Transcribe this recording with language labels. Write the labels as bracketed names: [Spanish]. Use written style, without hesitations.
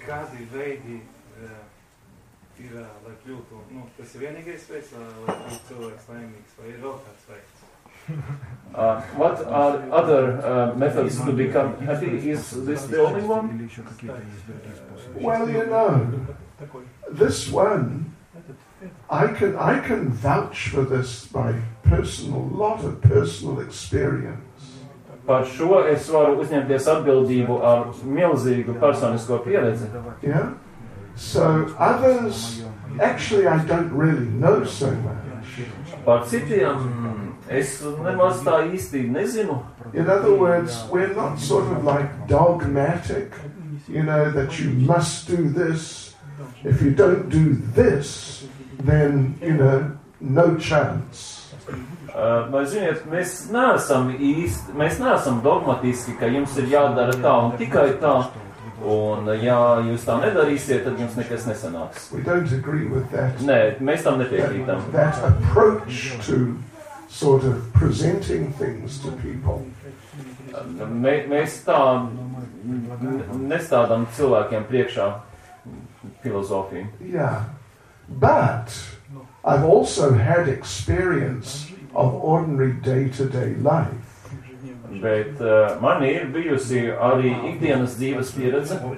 [Latvian] Kādi veidi ir, lai kļūtu, nu, tas ir vienīgais veids, lai kļūtu cilvēks laimīgs, vai ir vēl kāds veids? [English] What are other methods to become happy? Is this the only one? Well, you know, this one, I can vouch for this by personal, lot of personal experience. [Latvian] Par šo es varu uzņemties atbildību ar milzīgu personisko pieredzi. [English] Yeah? So others, actually I don't really know so much. [Latvian] Par citiem, es nemaz tā īsti nezinu. [English] In other words, we're not sort of like dogmatic, you know, that you must do this. If you don't do this, then, you know, no chance. [Latvian] Vai ziniet, mēs neesam dogmatiski, ka jums ir jādara tā un tikai tā, un ja jūs tā nedarīsiet, tad jums nekas nesanāks. [English] We don't agree with that. [Latvian] Nē, mēs tam nepiekrītam. [English] That approach to sort of presenting things to people. [Latvian] Mēs tā nestādām cilvēkiem priekšā filozofiju. [English] Yeah. But I've also had experience of ordinary day-to-day life. [Latvian] Bet man ir bijusi arī ikdienas dzīves pieredze.